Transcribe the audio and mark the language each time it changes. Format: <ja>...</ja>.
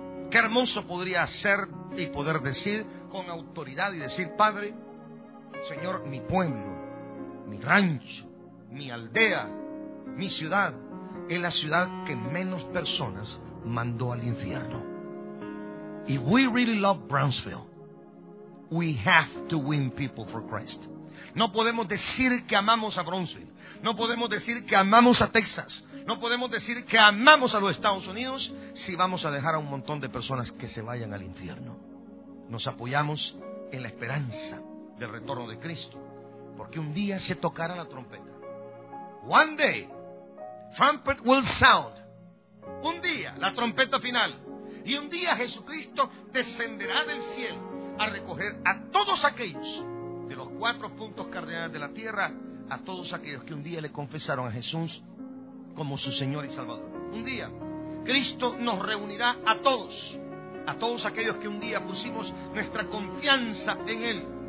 <es>Qué hermoso podría ser y poder decir con autoridad y decir, Padre, Señor, mi pueblo, mi rancho, mi aldea, mi ciudad, es la ciudad que menos personas mandó al infierno.</es> <en>If we really love Brownsville, we have to win people for Christ.</en> <es>No podemos decir que amamos a Brownsville. No podemos decir que amamos a Texas. No podemos decir que amamos a los Estados Unidos si vamos a dejar a un montón de personas que se vayan al infierno. Nos apoyamos en la esperanza del retorno de Cristo, porque un día se tocará la trompeta.</es> <en>One day, trumpet will sound.</en> <es>Un día, la trompeta final. Y un día Jesucristo descenderá del cielo a recoger a todos aquellos de los cuatro puntos cardinales de la tierra, a todos aquellos que un día le confesaron a Jesús como su Señor y Salvador. Un día, Cristo nos reunirá a todos aquellos que un día pusimos nuestra confianza en Él.</es>